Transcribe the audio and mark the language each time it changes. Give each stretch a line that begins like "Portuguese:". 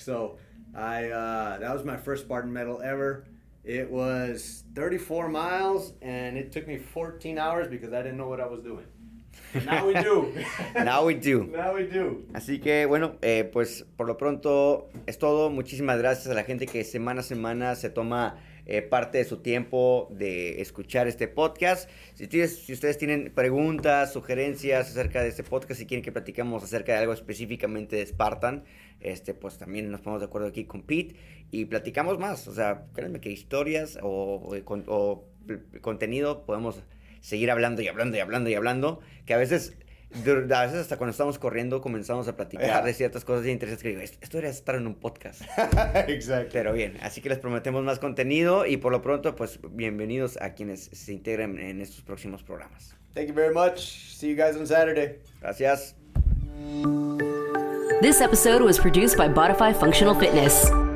English: So, that was my first Spartan medal ever. It was 34 miles, and it took me 14 hours because I didn't know what I was doing. Now we do.
Spanish: Así que bueno, pues por lo pronto es todo. Muchísimas gracias a la gente que semana a semana se toma parte de su tiempo de escuchar este podcast. Si ustedes tienen preguntas, sugerencias acerca de este podcast, si quieren que platicamos acerca de algo específicamente de Spartan, pues también nos ponemos de acuerdo aquí con Pete y platicamos más. O sea, créanme que historias o contenido podemos seguir hablando, que a veces hasta cuando estamos corriendo comenzamos a platicar de ciertas cosas de interés, que digo, esto debería estar en un podcast. Exacto. Pero bien, así que les prometemos más contenido, y por lo pronto, pues, bienvenidos a quienes se integren en estos próximos programas.
English: Thank you very much. See you guys on Saturday.
Spanish: Gracias.
English: This episode was produced by Botify Functional Fitness.